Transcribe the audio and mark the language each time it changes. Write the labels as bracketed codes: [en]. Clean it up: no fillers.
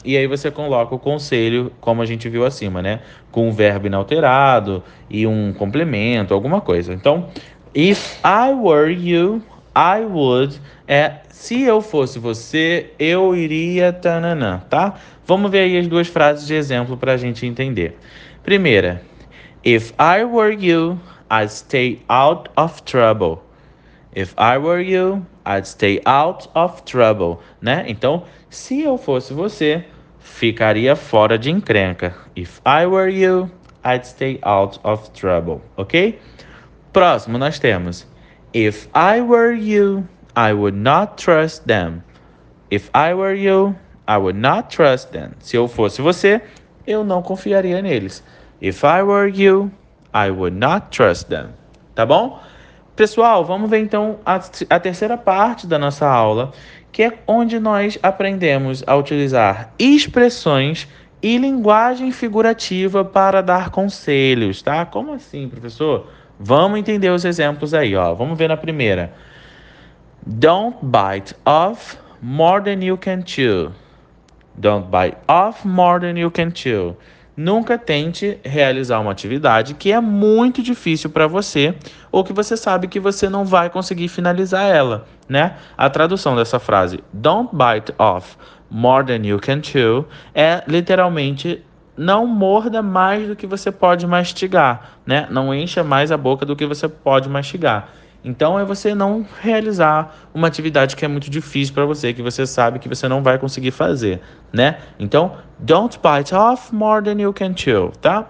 [pt] E aí você coloca o conselho, como a gente viu acima, né? Com um verbo inalterado e um complemento, alguma coisa. [en] Então, if I were you, I would. [pt] É, se eu fosse você, eu iria tanana, tá? Vamos ver aí as duas frases de exemplo para a gente entender. [en] Primeira: If I were you, I'd stay out of trouble. If I were you, I'd stay out of trouble, né? [pt] Então, se eu fosse você, ficaria fora de encrenca. [en] If I were you, I'd stay out of trouble, ok? [pt] Próximo, nós temos: [en] If I were you, I would not trust them. If I were you, I would not trust them. [pt] Se eu fosse você, eu não confiaria neles. [en] If I were you, I would not trust them. [pt] Tá bom? Pessoal, vamos ver então a terceira parte da nossa aula, que é onde nós aprendemos a utilizar expressões e linguagem figurativa para dar conselhos, tá? Como assim, professor? Vamos entender os exemplos aí, ó. Vamos ver na primeira. [en] Don't bite off more than you can chew. Don't bite off more than you can chew. [pt] Nunca tente realizar uma atividade que é muito difícil para você ou que você sabe que você não vai conseguir finalizar ela, né? A tradução dessa frase, [en] don't bite off more than you can chew, [pt] é literalmente não morda mais do que você pode mastigar, né? Não encha mais a boca do que você pode mastigar. Então é você não realizar uma atividade que é muito difícil para você, que você sabe que você não vai conseguir fazer, né? [en] Então, don't bite off more than you can chew, tá?